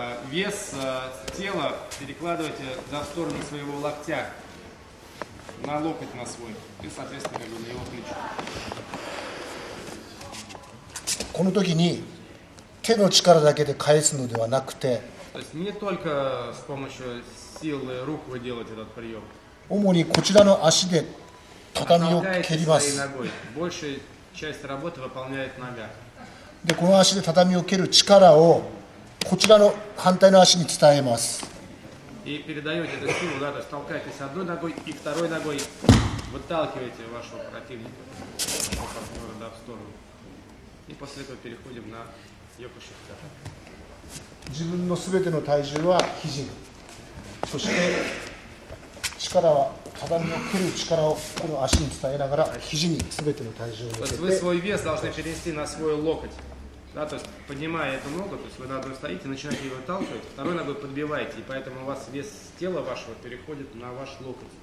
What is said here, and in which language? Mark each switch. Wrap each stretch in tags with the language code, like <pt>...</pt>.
<ru>Вес тела перекладывайте за сторону своего локтя на локоть на свой и, соответственно, на его плечо.</ru> <ja>この時に手の力だけで返すのではなくて</ja> <ru>То есть не только с помощью силы рук вы делаете этот прием.</ru> <ja>主にこちらの足で畳を蹴ります.</ja> <ru>Большая часть работы выполняет нога.</ru> <ja>でこの足で畳を蹴る力をこちらの反対の足に伝えます。</ja> <ru>И передаете эту силу, да, то есть толкаетесь одной ногой и второй ногой выталкиваете вашего противника, вашего партнера, да, в сторону. И после этого переходим на йокушихта.</ru> <ja>自分のすべての体重は肘。そして力は畳を蹴る力をこの足に伝えながら肘にすべての体重を乗せて。</ja> <ru>Вы свой вес должны перенести на свой локоть. Да, то есть поднимая эту ногу, то есть вы на одной стоите, начинаете ее выталкивать, второй ногой подбиваете, и поэтому у вас вес тела вашего переходит на ваш локоть.</ru>